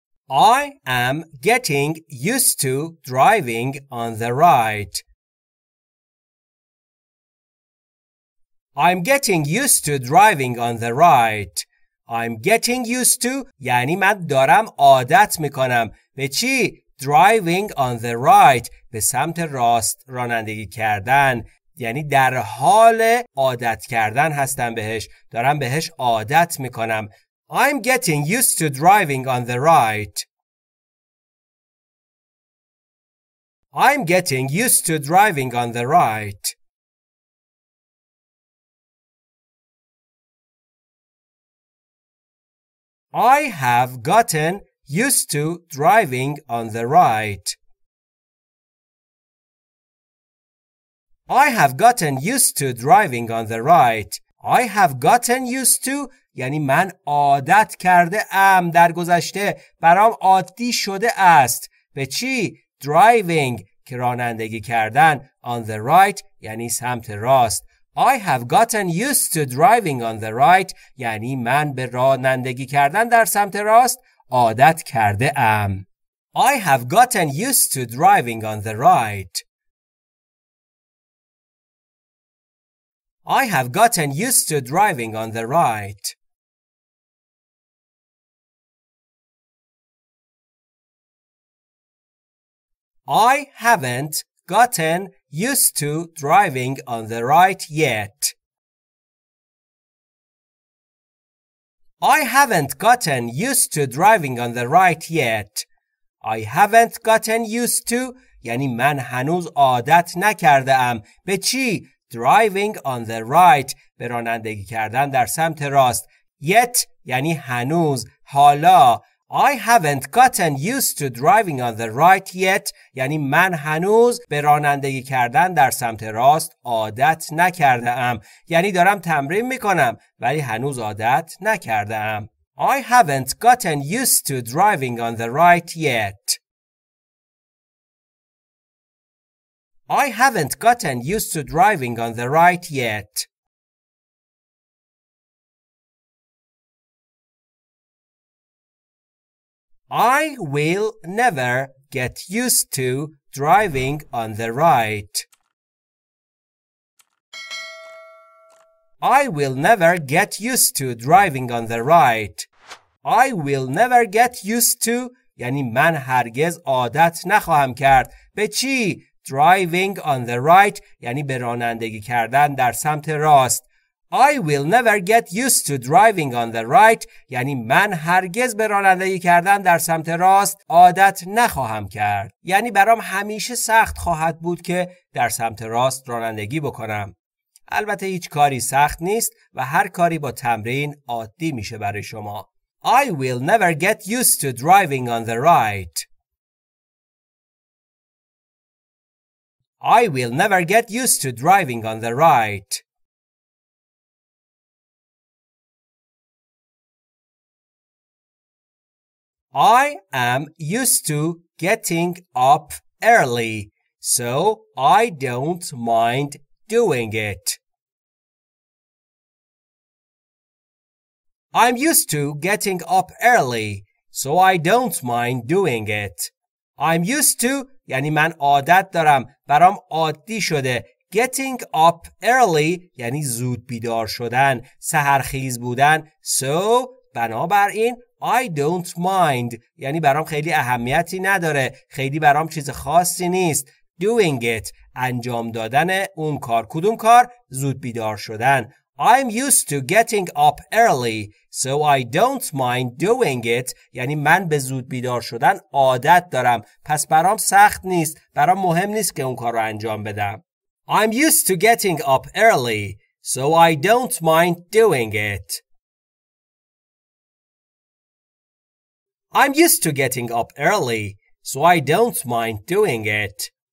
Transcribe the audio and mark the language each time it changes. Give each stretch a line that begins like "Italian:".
English: I am getting used to driving on the right. I'm getting used to driving on the right. I'm getting used to
Persian: یعنی من دارم عادت میکنم به چی؟
English: Driving on the right
Persian: به سمت راست رانندگی کردن، یعنی در حال عادت کردن هستم بهش، دارم بهش عادت میکنم.
English: I'm getting used to driving on the right. I'm getting used to driving on the right. I have gotten used to driving on the right. I have gotten used to driving on the right. I have gotten used to,
Persian: یعنی من عادت کرده ام در گذشته برام عادی شده است. به چی؟
English: Driving
Persian: که رانندگی کردن
English: on the right
Persian: یعنی سمت راست.
English: I have gotten used to driving on the right
Persian: یعنی من به رانندگی کردن در سمت راست عادت کرده ام.
English: I have gotten used to driving on the right. I have gotten used to driving on the right. I haven't gotten used to driving on the right yet. I haven't gotten used to driving on the right yet. I haven't gotten used to,
Persian: یعنی من هنوز عادت نکرده ام. به چی؟
English: Driving on the right,
Persian: به رانندگی کردن در سمت راست.
English: Yet,
Persian: یعنی هنوز، حالا.
English: I haven't gotten used to driving on the right yet,
Persian: یعنی من هنوز به رانندگی کردن در سمت راست عادت نکرده ام. یعنی دارم تمرین میکنم ولی هنوز عادت نکرده ام.
English: I haven't gotten used to driving on the right yet. I haven't gotten used to driving on the right yet. I will never get used to driving on the right. I will never get used to driving on the right. I will never get used to,
Persian: یعنی من هرگز عادت نخواهم کرد. به چی؟
English: Driving on the right,
Persian: یعنی به رانندگی کردن در سمت راست.
English: I will never get used to driving on the right,
Persian: یعنی من هرگز به رانندگی کردن در سمت راست عادت نخواهم کرد. یعنی برام همیشه سخت خواهد بود که در سمت راست رانندگی بکنم. البته هیچ کاری سخت نیست و هر کاری با تمرین عادی میشه برای شما.
English: I will never get used to driving on the right. I will never get used to driving on the right. I am used to getting up early, so I don't mind doing it. I'm used to getting up early, so I don't mind doing it. I'm used to,
Persian: یعنی من عادت دارم، برام عادی شده.
English: Getting up early,
Persian: یعنی زود بیدار شدن، سحرخیز بودن.
English: So,
Persian: بنابراین،
English: I don't mind,
Persian: یعنی برام خیلی اهمیتی نداره، خیلی برام چیز خاصی نیست.
English: Doing it,
Persian: انجام دادن اون کار. کدوم کار؟ زود بیدار شدن.
English: I'm used to getting up early, so I don't mind doing it.
Persian: یعنی من به زود بیدار شدن عادت دارم. پس برام سخت نیست. برام مهم نیست که اون کار رو انجام بدم.
English: I'm used to getting up early, so I don't mind doing it. I'm used to getting up early, so I don't mind doing it.